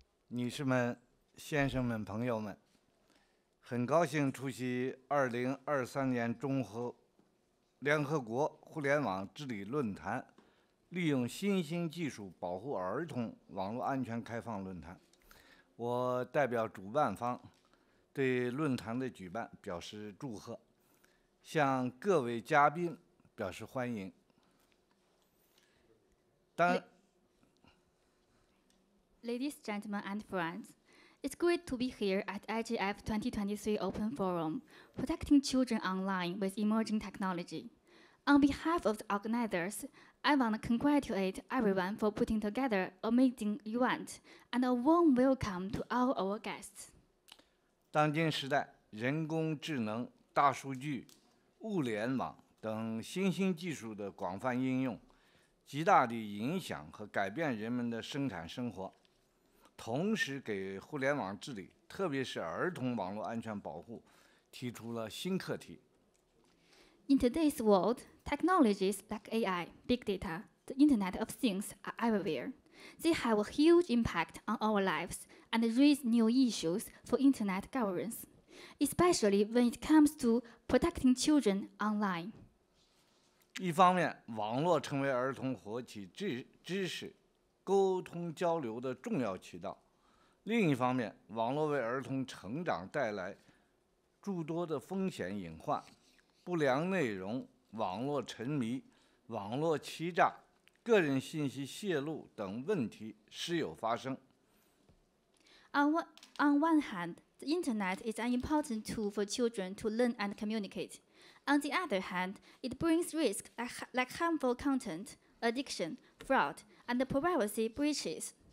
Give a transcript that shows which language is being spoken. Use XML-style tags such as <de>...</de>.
<zh>Ladies, 先生们, 朋友们, 很高兴出席 2023年联合国互联网治理论坛 利用新兴技术保护儿童网络安全开放论坛 我代表主办方 对论坛的举办表示祝贺 向各位嘉宾表示欢迎</zh> <en>Ladies, gentlemen and friends, it's great to be here at IGF 2023 Open Forum, Protecting Children Online with Emerging Technology. On behalf of the organizers, I want to congratulate everyone for putting together an amazing event and a warm welcome to all our guests.</en> <zh>当今时代, 人工智能, 大数据, 物联网 等新兴技术的广泛应用, 极大地影响和改变人们的生产生活。同时给互联网治理, 特别是儿童网络安全保护, 提出了新课题。</zh> <en>In today's world, technologies like AI, big data, the Internet of Things are everywhere. They have a huge impact on our lives and raise new issues for Internet governance, especially when it comes to protecting children online.</en> <zh>一方面, 网络成为儿童获取知识, 沟通交流的重要渠道。另一方面, 网络为儿童成长带来诸多的风险隐患, 不良内容, 网络沉迷, 网络欺诈, 个人信息泄露等问题时有发生。</zh> <en>On one hand, the internet is an important tool for children to learn and communicate. On the other hand, it brings risk like harmful content, addiction, fraud, and the privacy breaches.</en>